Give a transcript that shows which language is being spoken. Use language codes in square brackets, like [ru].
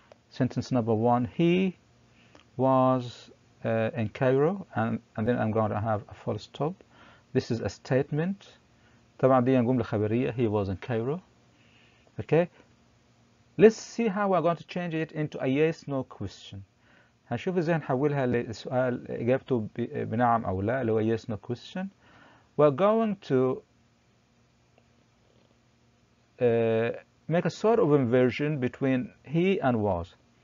[en] Sentence number one: He was in Cairo, and then I'm going to have a full stop. This is a statement. [ar] طبعا دي جملة خبرية. [en] He was in Cairo. Okay. Let's see how we're going to change it into a yes/no question. [ar] هنشوف ازاي هنحولها لسؤال اجابته بنعم او لا اللي هو [en] yes/no question. We're going to make a sort of inversion between he and was.